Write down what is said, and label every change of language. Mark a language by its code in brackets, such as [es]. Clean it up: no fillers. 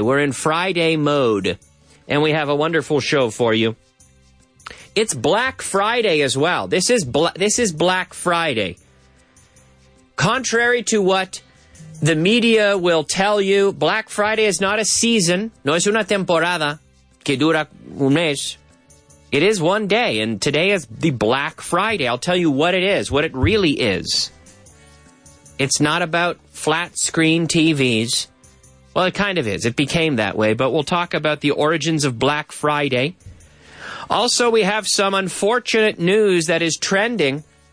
[en] We're in Friday mode, and we have a wonderful show for you. It's Black Friday as well. This is Black Friday. Contrary to what the media will tell you, Black Friday is not a season. [es] No es una temporada que dura un mes. [en] It is one day, and today is the Black Friday. I'll tell you what it is, what it really is. It's not about flat-screen TVs. Well, it kind of is. It became that way. But we'll talk about the origins of Black Friday. Also, we have some unfortunate news that is trending.